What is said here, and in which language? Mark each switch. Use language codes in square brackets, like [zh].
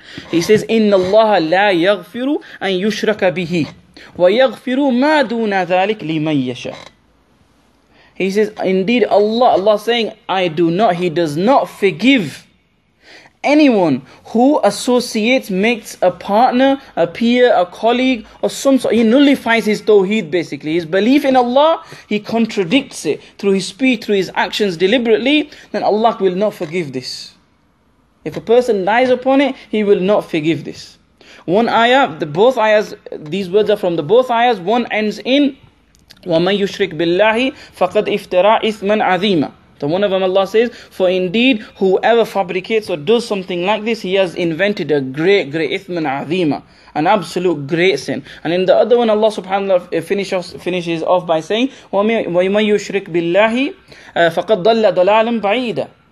[en] He says, [ar] إِنَّ اللَّهَ لَا يَغْفِرُ أَن يُشْرَكَ بِهِ وَيَغْفِرُ مَا دُونَ ذَلِكْ لِمَن يَشَى. [en] He says, indeed Allah saying, he does not forgive anyone who associates, makes a partner, a peer, a colleague, or some sort, he nullifies his tawheed basically. His belief in Allah, he contradicts it through his speech, through his actions deliberately, then Allah will not forgive this. If a person lies upon it, he will not forgive this. One ayah, the both ayahs, these words are from the both ayahs. One ends in [ar] وَمَنْ يُشْرِكْ بِاللَّهِ فَقَدْ افْتَرَى إِثْمًا عَظِيمًا. [en] The one of them Allah says, for indeed whoever fabricates or does something like this, he has invented a great, great ithman azima, an absolute great sin. And in the other one, Allah subhanahu wa ta'ala finishes off by saying, [ar] وَمَنْ يُشْرِكْ بِاللَّهِ فَقَدْ ضَلَّ ضَلَالًا بَعِيدًا.